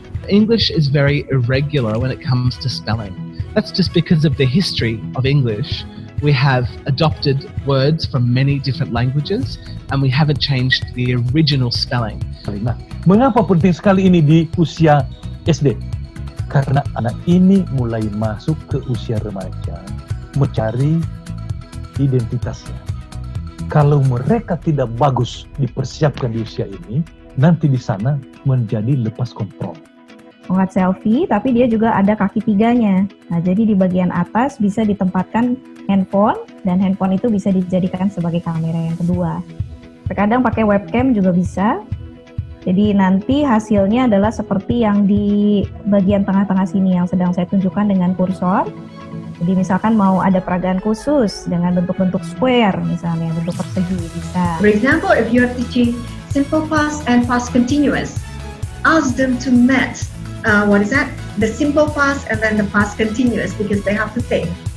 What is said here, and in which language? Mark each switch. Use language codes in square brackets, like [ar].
[en] English is very irregular when it comes to spelling. That's just because of the history of English. We have adopted words from many different languages and we haven't changed the original spelling. [id] Nah, mengapa penting sekali ini di usia SD? Karena anak ini mulai masuk ke usia remaja, mencari identitasnya. Kalau mereka tidak bagus dipersiapkan di usia ini, nanti di sana menjadi lepas kontrol. Mengat selfie, tapi dia juga ada kaki tiganya. Nah, jadi di bagian atas bisa ditempatkan handphone, dan handphone itu bisa dijadikan sebagai kamera yang kedua. Terkadang pakai webcam juga bisa. Jadi nanti hasilnya adalah seperti yang di bagian tengah-tengah sini yang sedang saya tunjukkan dengan kursor. Jadi misalkan mau ada peragaan khusus dengan bentuk-bentuk square misalnya, bentuk persegi bisa. [en] For example, if you are teaching simple past and past continuous, ask them to match the simple past and then the past continuous because they have to think.